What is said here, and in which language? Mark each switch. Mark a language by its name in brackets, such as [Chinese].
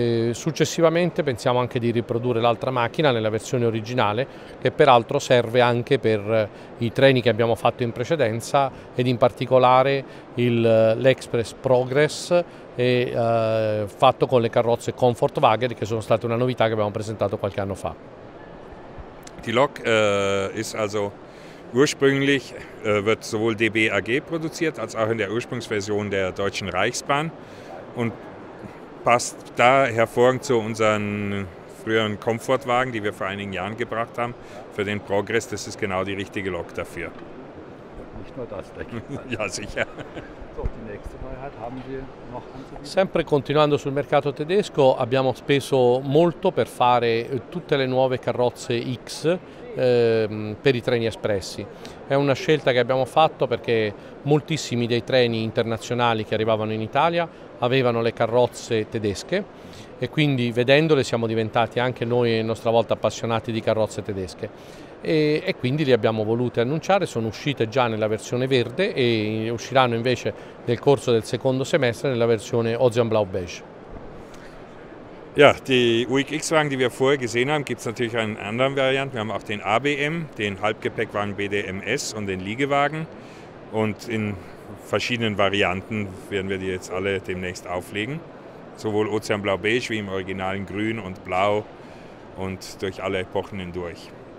[Italian] Successivamente pensiamo anche di riprodurre l'altra macchina nella versione originale, che peraltro serve anche per i treni che abbiamo fatto in precedenza ed in particolare l'Express Progress fatto con le carrozze Comfort Wagen, che sono state una novità che abbiamo presentato qualche anno fa. [German] Die Lok ist also ursprünglich wird sowohl DBAG produziert als auch in der Ursprungsversion der Deutschen Reichsbahn und passt da hervorragend zu unseren früheren Komfortwagen, die wir vor einigen Jahren gebracht haben. Für den Progress, das ist genau die richtige Lok dafür. Nicht nur das, denke ich. Ja, sicher. So, die nächste Neuheit haben wir noch. [Italian] Sempre continuando sul mercato tedesco, abbiamo speso molto per fare tutte le nuove carrozze X per i treni espressi. È una scelta che abbiamo fatto perché moltissimi dei treni internazionali che arrivavano in Italia avevano le carrozze tedesche e quindi vedendole siamo diventati anche noi a nostra volta appassionati di carrozze tedesche e quindi li abbiamo volute annunciare, sono uscite già nella versione verde e usciranno invece nel corso del secondo semestre nella versione Ocean Blau Beige. [German] Ja, die UX-Wagen, die wir vorher gesehen haben, gibt es natürlich in anderen Varianten. Wir haben auch den ABM, den Halbgepäckwagen BDMS und den Liegewagen. Und in verschiedenen Varianten werden wir die jetzt alle demnächst auflegen. Sowohl Ozeanblau-Beige wie im originalen Grün und Blau und durch alle Epochen hindurch.